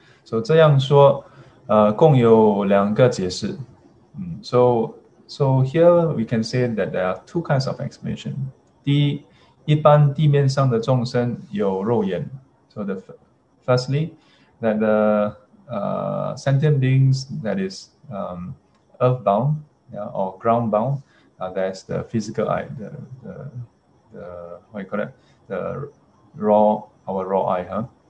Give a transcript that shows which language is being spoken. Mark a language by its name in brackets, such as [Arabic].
[Chinese] So 这样说, 共有两个解释. [English] So here we can say that there are two kinds of explanation. [Chinese] 第一, 一般地面上的众生有肉眼. [English] So the firstly, that the sentient beings that is earthbound, yeah, or groundbound, that's the physical eye, the what you call it, the raw eye, huh?